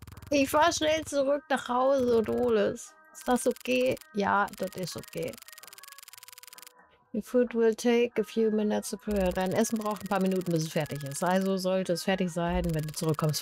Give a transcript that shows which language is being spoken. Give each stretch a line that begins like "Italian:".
German: Ich fahre schnell zurück nach Hause und hole es. Ist das okay? Ja, das ist okay.
English: The food will take a few minutes to prepare.
German: Dein Essen braucht ein paar Minuten, bis es fertig ist. Also sollte es fertig sein, wenn du zurückkommst.